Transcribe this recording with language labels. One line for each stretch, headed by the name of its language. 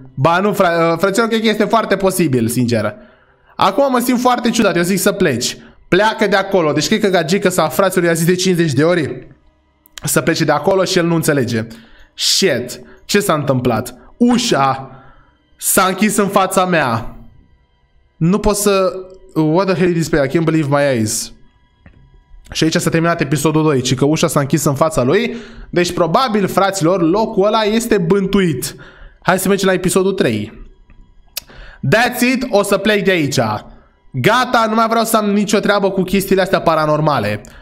Romanian: Ba nu, fraților, cred că este foarte posibil, sincer. Acum mă simt foarte ciudat, eu zic să pleci. Pleacă de acolo. Deci cred că Gagica sau fraților i-a zis de 50 de ori să plece de acolo și el nu înțelege. Shit, ce s-a întâmplat? Ușa s-a închis în fața mea. Nu pot să...
English: What the hell is this? I can't believe my eyes.
Romanian: Și aici s-a terminat episodul 2, ci că ușa s-a închis în fața lui. Deci probabil, fraților, locul ăla este bântuit. Hai să mergem la episodul 3.
English: That's it,
Romanian: o să plec de aici. Gata, nu mai vreau să am nicio treabă cu chestiile astea paranormale.